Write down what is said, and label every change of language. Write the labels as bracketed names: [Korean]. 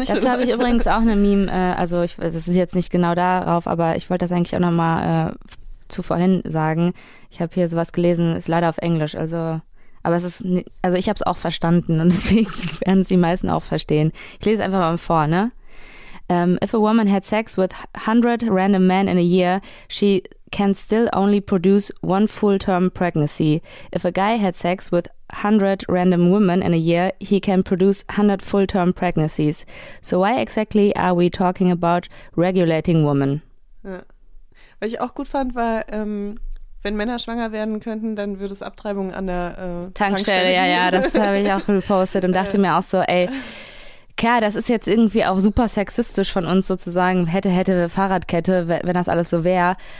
[German] Leute. Dazu habe ich übrigens auch eine Meme, also ich, das ist jetzt nicht genau darauf, aber ich wollte das eigentlich auch nochmal zu vorhin sagen. Ich habe hier sowas gelesen, ist leider auf Englisch, also... Aber es ist, also ich habe es auch verstanden und deswegen werden es die meisten auch verstehen. Ich lese einfach mal vor, ne? [English] If a woman had sex with 100 random men in a year, she can still only produce one full-term pregnancy. If a guy had sex with 100 random women in a year, he can produce 100 full-term pregnancies. So why exactly are we talking about regulating women? [German] Ja. Was ich auch gut fand, war... Wenn Männer schwanger werden könnten, dann würde es Abtreibung an der Tankstelle. Ja, das habe ich auch gepostet und dachte mir auch so, ey, klar, das ist jetzt irgendwie auch super sexistisch von uns sozusagen, hätte Fahrradkette, wenn das alles so wäre.